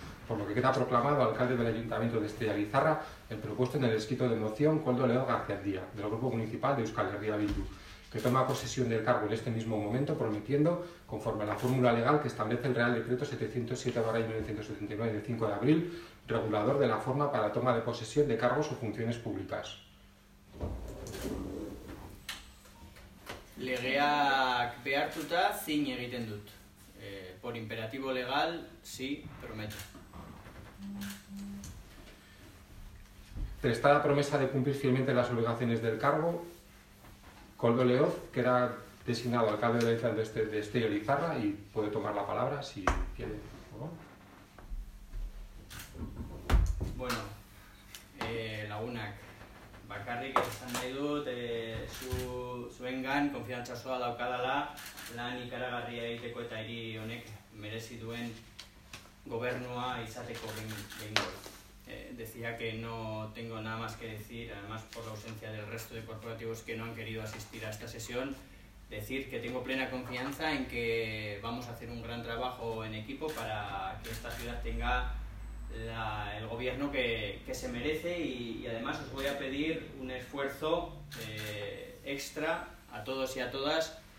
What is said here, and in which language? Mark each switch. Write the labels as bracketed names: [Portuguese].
[Spanish] Por lo que queda proclamado alcalde del Ayuntamiento de Estella Guizarra el propuesto en el escrito de moción Coldo León García Díaz, del Grupo Municipal de Euskal Herria Bildu, que toma posesión del cargo en este mismo momento, prometiendo, conforme a la fórmula legal que establece el Real Decreto 707/1979 de 5 de abril, regulador de la forma para toma de posesión de cargos o funciones públicas. [Basque] Legeak behartuta zin egiten dut. [Spanish] Por imperativo legal, sí, prometo. Prestada promesa de cumplir fielmente las obligaciones del cargo, Coldo Leoz queda designado alcalde de Estella Lizarra y puede tomar la palabra si quiere. [Basque] Bueno, lagunak, bakarrik esan nahi dut, zuengan konfiantza osoa daukadala lan ikaragarria egiteko eta hiri honek merezi duen gobernua izateko behingoz. [Spanish] Decía que no tengo nada más que decir, además por la ausencia del resto de corporativos que no han querido asistir a esta sesión, decir que tengo plena confianza en que vamos a hacer un gran trabajo en equipo para que esta ciudad tenga el gobierno que se merece y además os voy a pedir un esfuerzo extra a todos y a todas.